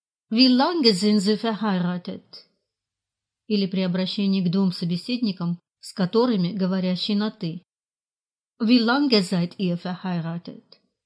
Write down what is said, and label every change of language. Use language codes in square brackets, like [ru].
[de] Wie lange sind Sie verheiratet? [ru] Или при обращении к двум собеседникам, с которыми говорящий на «ты». [de] Wie lange seid ihr verheiratet?